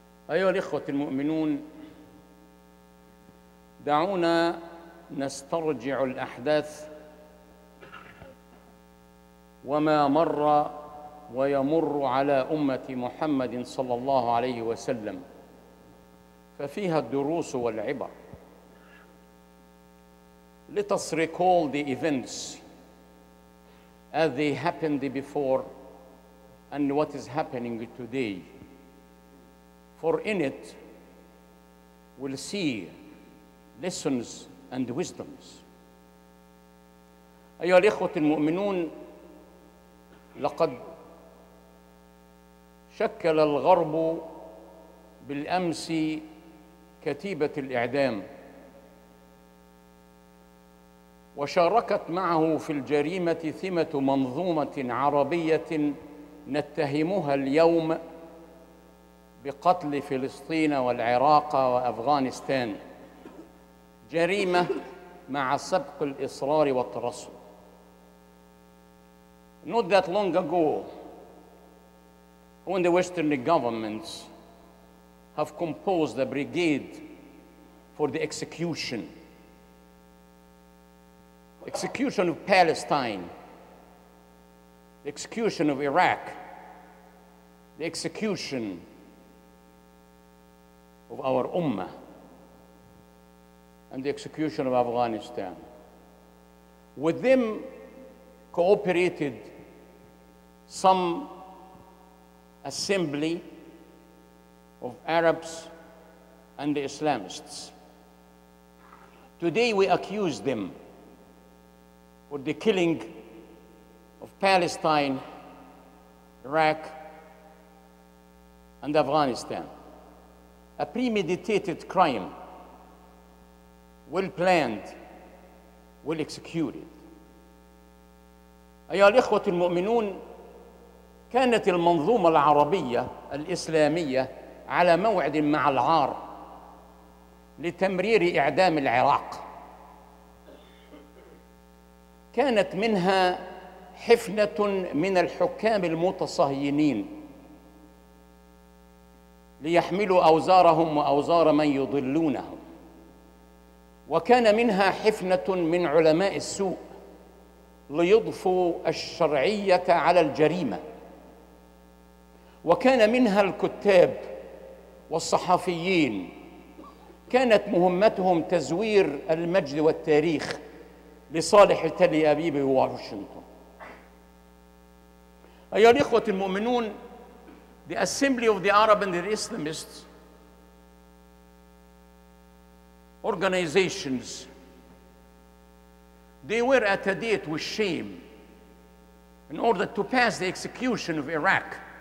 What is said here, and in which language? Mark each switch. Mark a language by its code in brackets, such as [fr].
[ar] أيها الإخوة المؤمنون، دعونا نسترجع الأحداث وما مر ويمر على أمة محمد صلى الله عليه وسلم، ففيها الدروس والعبر. [en] Let us recall the events as they happened before and what is happening today. For in it, we'll see lessons and wisdoms. [ar] أيها الإخوة المؤمنون، لقد شكل الغرب بالأمس كتيبة الإعدام، وشاركت معه في الجريمة ثمة منظومة عربية نتهمها اليوم بقتل فلسطين والعراق وأفغانستان، جريمة مع سبق الإصرار والترصد. [en] Not that long ago, when the Western governments have composed a brigade for the execution of Palestine, the execution of Iraq, the execution of our Ummah, and the execution of Afghanistan. With them cooperated some assembly of Arabs and the Islamists. Today we accuse them for the killing of Palestine, Iraq, and Afghanistan. A premeditated crime, well planned, well executed. [ar] أيها الإخوة المؤمنون، كانت المنظومة العربية الإسلامية على موعد مع العار لتمرير إعدام العراق. كانت منها حفنة من الحكام المتصهينين ليحملوا أوزارهم وأوزار من يضلونهم، وكان منها حفنة من علماء السوء ليضفوا الشرعية على الجريمة، وكان منها الكتاب والصحفيين كانت مهمتهم تزوير المجد والتاريخ لصالح تل أبيب وواشنطن. أيها الإخوة المؤمنون، [en] The Assembly of the Arab and the Islamist organizations, they were at a date with shame in order to pass the execution of Iraq.